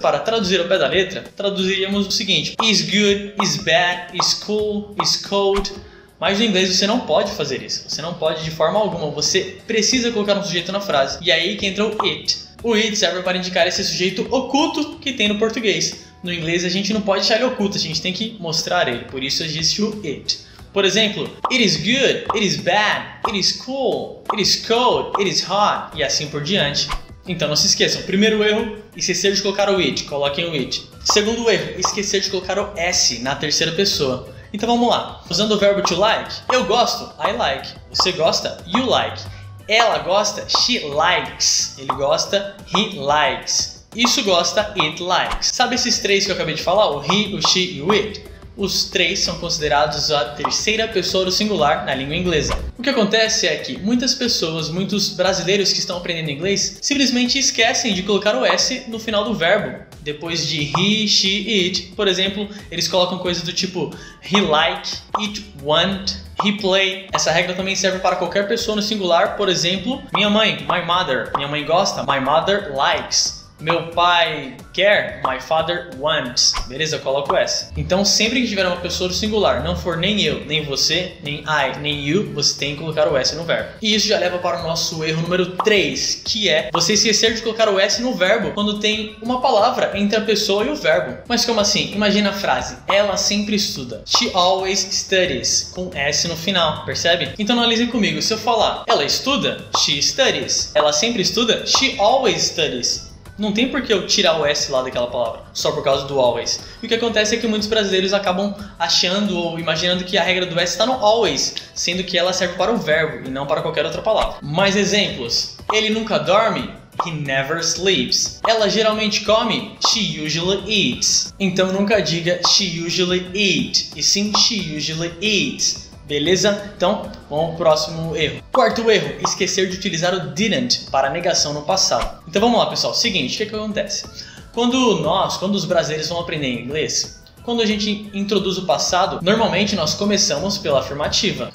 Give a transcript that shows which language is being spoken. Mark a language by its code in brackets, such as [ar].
[pt] Para traduzir ao pé da letra, traduziríamos o seguinte: [en] is good, is bad, is cool, is cold. [pt] Mas no inglês você não pode fazer isso. Você não pode de forma alguma. Você precisa colocar um sujeito na frase. E aí que entra o it. O it serve para indicar esse sujeito oculto que tem no português. No inglês a gente não pode achar ele oculto, a gente tem que mostrar ele. Por isso existe o it. Por exemplo, [en] it is good, it is bad, it is cool, it is cold, it is hot, [pt] e assim por diante. Então não se esqueçam, primeiro erro, esquecer de colocar o it, coloquem o it. Segundo erro, esquecer de colocar o s na terceira pessoa. Então vamos lá, usando o verbo [en] to like, [pt] eu gosto, [en] I like, [pt] você gosta, [en] you like, [pt] ela gosta, [en] she likes, [pt] ele gosta, [en] he likes, [pt] isso gosta, [en] it likes. [pt] Sabe esses três que eu acabei de falar, o he, o she e o it? Os três são considerados a terceira pessoa do singular na língua inglesa. O que acontece é que muitas pessoas, muitos brasileiros que estão aprendendo inglês, simplesmente esquecem de colocar o S no final do verbo. Depois de he, she, it, por exemplo, eles colocam coisas do tipo [en] he like, it want, he play. [pt] Essa regra também serve para qualquer pessoa no singular, por exemplo, minha mãe, [en] my mother. [pt] Minha mãe gosta, [en] my mother likes. [pt] Meu pai quer, [en] my father wants. [pt] Beleza, eu coloco S. Então, sempre que tiver uma pessoa do singular, não for nem eu, nem você, nem I, nem you, você tem que colocar o S no verbo. E isso já leva para o nosso erro número 3, que é você esquecer de colocar o S no verbo quando tem uma palavra entre a pessoa e o verbo. Mas como assim? Imagina a frase, ela sempre estuda. [en] She always studies, [pt] com S no final, percebe? Então, analise comigo, se eu falar, ela estuda, [en] she studies. [pt] Ela sempre estuda, [en] she always studies. [pt] Não tem por que eu tirar o S lá daquela palavra, só por causa do always. E o que acontece é que muitos brasileiros acabam achando ou imaginando que a regra do S está no always, sendo que ela serve para o verbo e não para qualquer outra palavra. Mais exemplos. Ele nunca dorme? [en] He never sleeps. [pt] Ela geralmente come? [en] She usually eats. [pt] Então nunca diga [en] she usually eat, [pt] e sim [en] she usually eats. [pt] Beleza? Então, vamos pro próximo erro. Quarto erro, esquecer de utilizar o didn't para negação no passado. Então vamos lá, pessoal. Seguinte, o que acontece? Quando os brasileiros vão aprender inglês, quando a gente introduz o passado, normalmente nós começamos pela afirmativa.